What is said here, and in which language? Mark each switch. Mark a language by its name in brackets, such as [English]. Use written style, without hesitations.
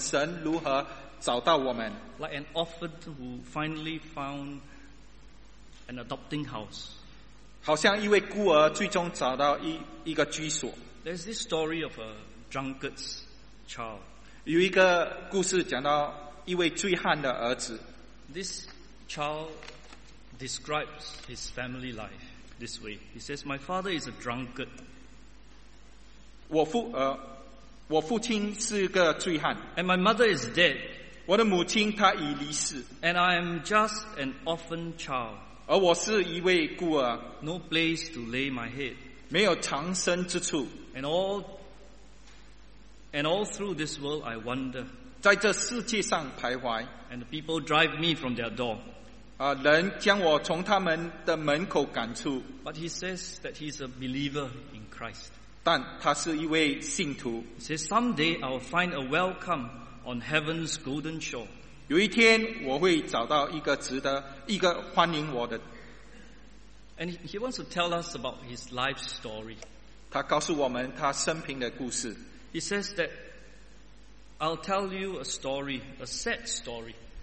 [Chinese] 13到18节告诉我们神如何找到我们。 [English] Like an orphan who finally found an adopting house. [Chinese] 好像一位孤儿最终找到一个居所。 [English] There's this story of a drunkard's child. [Chinese] 有一个故事讲到一位醉汉的儿子。 [English] This child describes his family life this way. He says, "My father is a drunkard." [Chinese] 我父亲是个醉汉。 [English] And my mother is dead. [Chinese] 我的母亲她已离世。 [English] And I am just an orphan child. [Chinese] 而我是一位孤儿。 [English] No place to lay my head. [Chinese] 没有藏身之处。 [English] And all through this world I wonder. [Chinese] 在这世界上徘徊, [English] and the people drive me from their door. [Chinese] 人将我从他们的门口赶出, [English] but he says that he's a believer in Christ. [Chinese] 但他是一位信徒, [English] he says, "Someday I'll find a welcome on heaven's golden shore." [Chinese] 有一天我会找到一个值得欢迎我的。 [English] And he wants to tell us about his life story. [Chinese] 他告诉我们他生平的故事。 [English] He says that I'll tell you a story, a sad story.